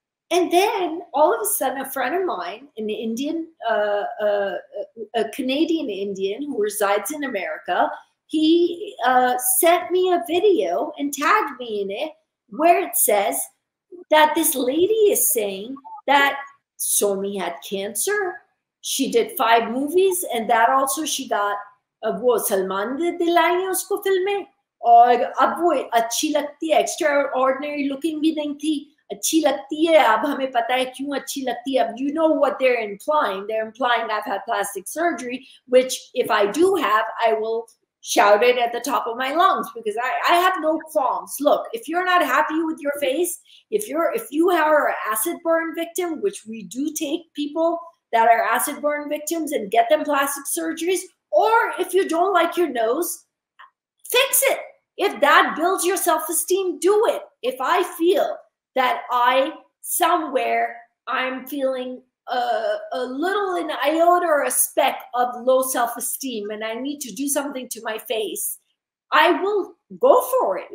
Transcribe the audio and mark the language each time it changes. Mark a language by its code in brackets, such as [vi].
[en] And then all of a sudden, a friend of mine, an Indian, a Canadian Indian who resides in America, he sent me a video and tagged me in it where it says that this lady is saying that Somy had cancer. She did 5 movies and that also she got [hi] वो सलमान दिलाई है उसको फिल्में और अब वो अच्छी लगती है एक्स्ट्रा ऑर्डिनरी लुकिंग भी नहीं थी अच्छी लगती है अब [en] हमें पता है क्यों अच्छी लगती है अब you know what they are implying they are implying I have plastic surgery which if I do have I will shout it at the top of my lungs because I have no qualms look if you are not happy with your face if you are acid burn victim which we do take people that are acid burn victims and get them plastic surgeries Or if you don't like your nose, fix it. If that builds your self-esteem, do it. If I feel that I'm feeling a little an iota or a speck of low self-esteem and I need to do something to my face, I will go for it.